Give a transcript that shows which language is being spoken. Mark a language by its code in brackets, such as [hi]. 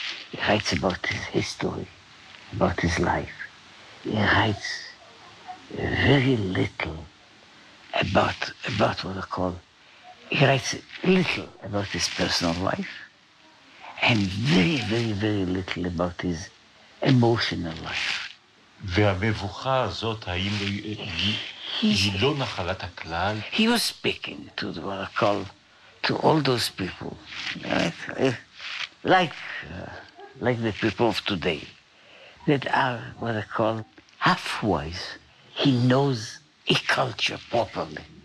[en] He writes about his history, about his life. He writes very little about what I call... He writes little about his personal life and very, very, very little about his emotional life. [he] והמבוכה הזאת, האם היא לא נחלת הכלל? [en] He was speaking to what I call to all those people, right? Like the people of today that are what I call half-wise, he knows a culture properly.